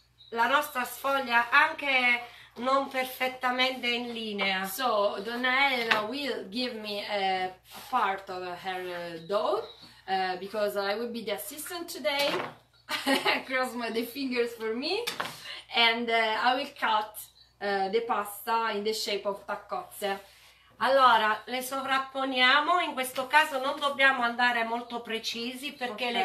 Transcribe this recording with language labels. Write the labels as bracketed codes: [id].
[it] la nostra sfoglia anche non perfettamente in linea. [en] So, Donna Elena will give me a part of her dough because I will be the assistant today. Cross my the fingers for me and I will cut the pasta in the shape of taccozze. [it] Allora, le sovrapponiamo, in questo caso non dobbiamo andare molto precisi perché le